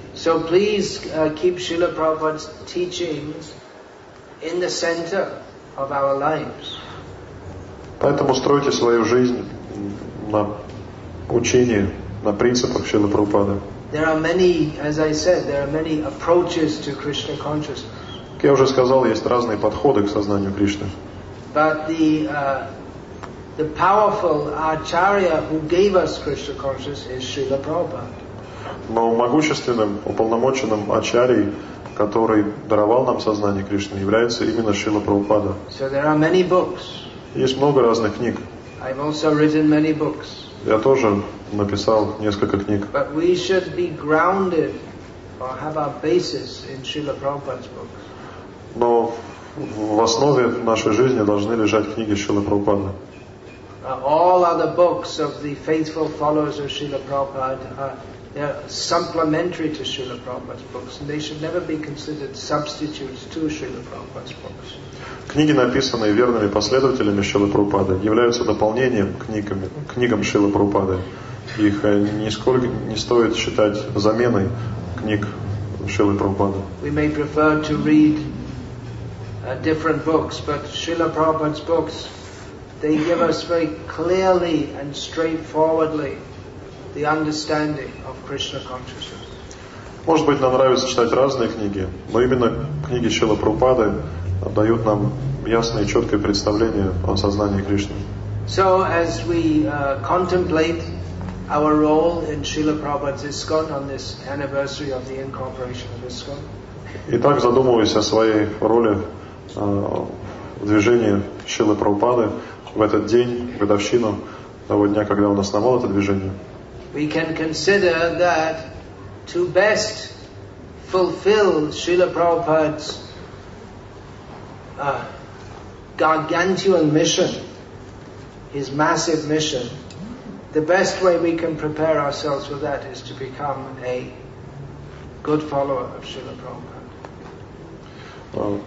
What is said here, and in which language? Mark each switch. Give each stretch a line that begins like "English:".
English: So please keep Srila Prabhupada's teachings in the center of our lives.
Russian: Поэтому стройте свою жизнь на учении, на принципах Шрилы Прабхупады.
English: There are many, as I said, there are many approaches to Krishna consciousness.
Russian: Как я уже сказал, есть разные подходы к сознанию Кришны.
English: But the powerful acharya who gave us Krishna consciousness is Srila Prabhupada.
Russian: Но могущественным, уполномоченным ачарьей, который даровал нам сознание Кришны, является именно Шрила Прабхупада.
English: So there are many books.
Russian: Есть много разных книг.
English: I've also written many books.
Russian: Я тоже написал несколько книг.
English: But we should be grounded or have our basis in Srila Prabhupada's books.
Russian: Но в основе нашей жизни должны лежать книги Шрилы Прабхупады.
English: All other books of the faithful followers of Srila Prabhupada are supplementary to Srila Prabhupada's books, and they should never be considered substitutes to Srila Prabhupada's books.
Russian: Книги, написанные верными последователями Шрилы Прабхупады, являются дополнением книгам Шрилы Прабхупады. Их нисколько не стоит считать заменой книг Шрилы Прабхупады.
English: We may prefer to read different books, but Srila Prabhupada's books, they give us very clearly and straightforwardly the understanding of Krishna consciousness.
Russian: Может быть, нам нравится читать разные книги, но именно книги Шрилы Прабхупады дают нам ясное и четкое представление о сознании Кришны.
English: So, as we contemplate our role in Srila Prabhupada's ISKCON on this anniversary of the incorporation of ISKCON.
Russian: И так задумываясь о своей роли в движении Шрилы Прабхупады в этот день, в годовщину того дня, когда он основал это движение.
English: We can consider that to best fulfill Srila Prabhupada's gargantuan mission, his massive mission, the best way we can prepare ourselves for that is to become a good follower of Srila Prabhupada.